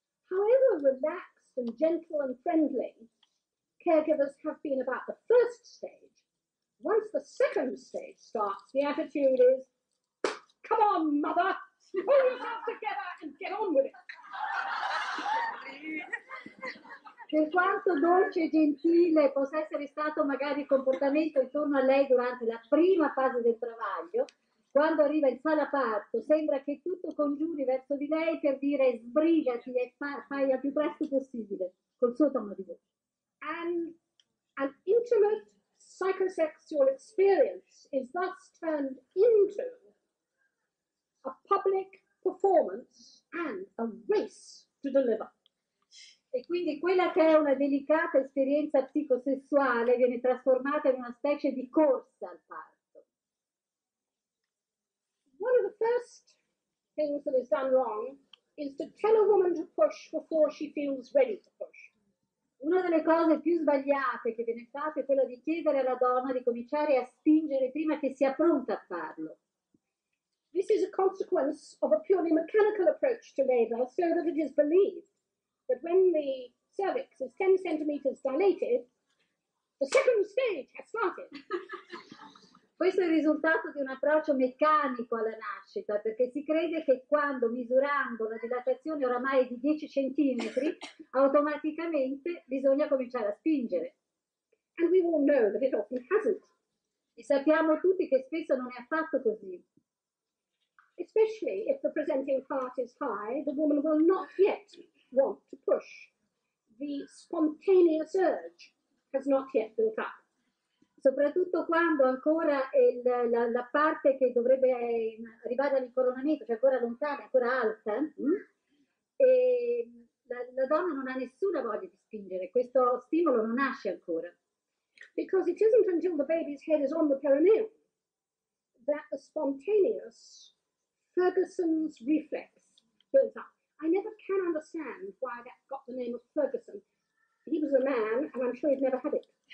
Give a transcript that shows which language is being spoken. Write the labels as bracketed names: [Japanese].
[English] However relaxed and gentle and friendly caregivers have been about the first stage, once the second stage starts, the attitude is, come on, mother! Pull yourself together and get on with it. [Italian] Per quanto dolce e gentile possa essere stato magari il comportamento intorno a lei durante la prima fase del travaglio, quando arriva in sala parto, sembra che tutto congiuri verso di lei per dire sbrigati e fai al più presto possibile, col suo tono di voce. [English] And an intimate psychosexual experience is thus turned into a public performance and a race to deliver. [Italian] E quindi quella che è una delicata esperienza psicosessuale viene trasformata in una specie di corsa al parto. [English] One of the first things that is done wrong is to tell a woman to push before she feels ready to push. [Italian] Una delle cose più sbagliate che viene fatta è quella di chiedere alla donna di cominciare a spingere prima che sia pronta a farlo. [English] This is a consequence of a purely mechanical approach to labor, so that it is believed that when the cervix is 10 centimeters dilated, the second stage has started. [Italian] Questo è il risultato di un approccio meccanico alla nascita, perché si crede che quando, misurando la dilatazione oramai di 10 centimetri, automaticamente bisogna cominciare a spingere. [English] And we all know that it often hasn't. [Italian] E sappiamo tutti che spesso non è affatto così. [English] Especially if the presenting heart is high, the woman will not yet want to push. The spontaneous urge has not yet built up. [Italian] Soprattutto quando ancora la parte che dovrebbe arrivare all'incoronamento, cioè ancora lontana, ancora alta, e la donna non ha nessuna voglia di spingere, questo stimolo non nasce ancora. [English] Because it isn't until the baby's head is on the perineum that the spontaneous Ferguson's reflex builds up. I never can understand why that got the name of Ferguson. He was a man, and I'm sure he'd never had it.